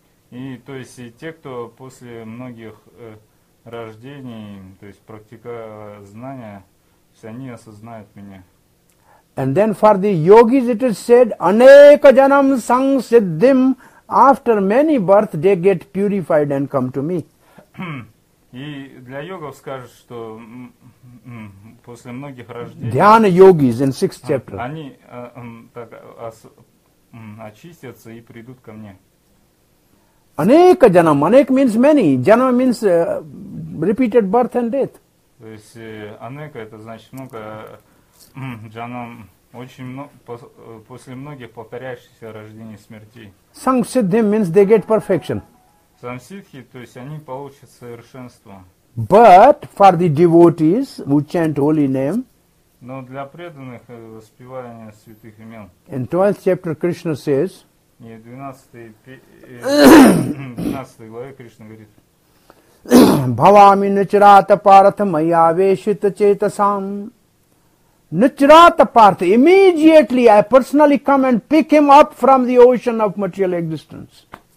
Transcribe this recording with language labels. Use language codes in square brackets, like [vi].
[ru] И то есть и те, кто после многих рождений, то есть практикуя знания, все они осознают меня. [en] And then for the yogis it is said, [sa] Aneka janam sang siddhim, [en] after many births they get purified and come to me. [ru] И для йогов скажут, что после многих рождений... [en] Dhyana yogis in sixth chapter. [ru] Они так очистятся и придут ко мне. [en] Anek janam. Anek means many. Janam means repeated birth and death. [ru] То есть anek это значит много. Janam очень много, после многих повторяющихся рождений и смертей. [en] Sang siddhim means they get perfection. [ru] Самсидхи, то есть они получат совершенство. [en] But for the devotees who chant holy name, [ru] но для преданных воспевания святых имен. [en] In 12th chapter Krishna says, [ru] и 12 главе Кришна говорит, [sa] Бхавами нычрата партха майя вешита чейтасам. Нычрата партха, [en] immediately I personally come and pick him up from the ocean of material existence.